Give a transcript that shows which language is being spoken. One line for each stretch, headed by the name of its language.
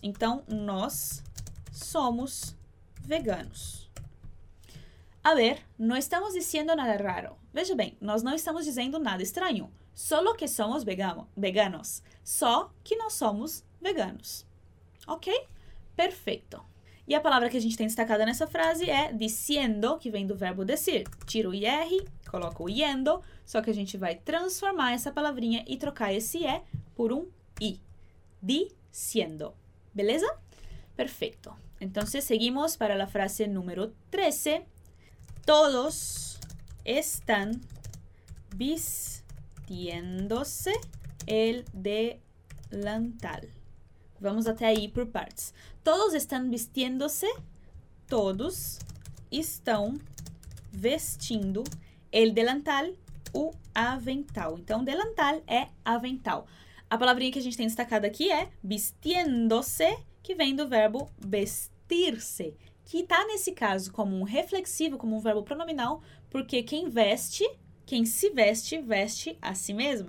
Portuguese: Então, nós somos veganos.
Spanish: A ver, no estamos diciendo nada raro.
Portuguese: Veja bem, nós não estamos dizendo nada estranho.
Spanish: Solo que somos veganos.
Portuguese: Só que nós somos veganos. Ok? Perfeito. E a palavra que a gente tem destacada nessa frase é diciendo, que vem do verbo decir. Tiro o IR, coloco o yendo, só que a gente vai transformar essa palavrinha e trocar esse E por um I. Diciendo. Beleza? Perfeito. Então, seguimos para a frase número 13.
Spanish: Todos están vistiéndose el delantal.
Portuguese: Vamos até aí por partes.
Spanish: Todos están vistiéndose.
Portuguese: Todos estão vestindo
Spanish: el delantal,
Portuguese: o avental. Então, delantal é avental. A palavrinha que a gente tem destacado aqui é vistiéndose, que vem do verbo vestir-se, que está, nesse caso, como um reflexivo, como um verbo pronominal, porque quem veste, quem se veste, veste a si mesmo.